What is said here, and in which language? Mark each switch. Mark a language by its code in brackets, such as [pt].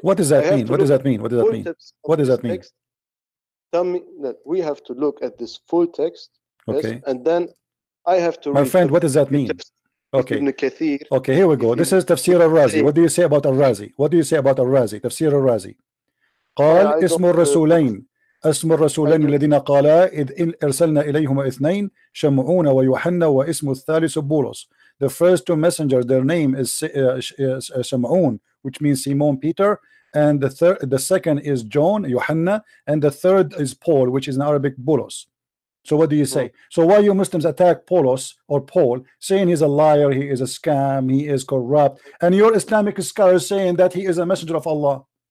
[en] What does that mean? What does that mean? Tell me that we have to look at this full text. Okay. Yes, and then I have to My read friend, what does that mean? Okay. Ibn Kathir. Okay, here we go. This is Tafsir al-Razi. What do you say about al-Razi? Tafsir al-Razi. [ar] قال اسم الرسولين اسم الرسولين الذين قالا إذ إرسلنا إليهما إثنين شمعون ويوحنا واسم الثالث بولس. [en] The first two messengers, their name is Shamoon, which means Simon Peter. And the second is John, Yohanna, and the third is Paul, which is in Arabic, Bulos. So what do you say? Right. So why you Muslims attack Paulos or Paul, saying he's a liar, he is a scam, he is corrupt, and your Islamic scholars saying that he is a messenger of Allah?